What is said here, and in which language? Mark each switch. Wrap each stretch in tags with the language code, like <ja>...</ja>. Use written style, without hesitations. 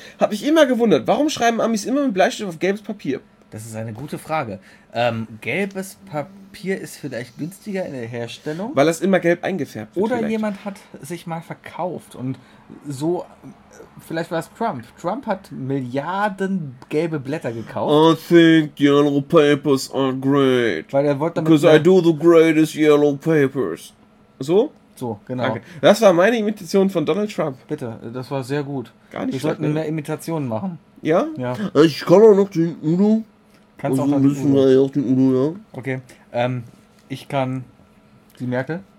<de>Hab ich immer gewundert, warum schreiben Amis immer mit Bleistift auf gelbes Papier? Das ist eine gute Frage. Gelbes Papier ist vielleicht günstiger in der Herstellung. Weil es immer gelb eingefärbt wird. Oder vielleicht. Jemand hat sich mal verkauft und so, vielleicht war es Trump. Trump hat Milliarden gelbe Blätter gekauft.</de> <en>I think yellow papers are great.</en> <de>Weil er wollte damit...</de> <en>Because I do the greatest yellow papers. So?</en> <de>So, genau. Okay. Das war meine Imitation von Donald Trump. Bitte, das war sehr gut. Gar nicht wir sollten mehr Imitationen machen. Ja? Ja. Ich kann auch noch den Udo. Kannst du auch noch den Udo? Auch den Udo, ja. Okay, ich kann die Merkel.</de>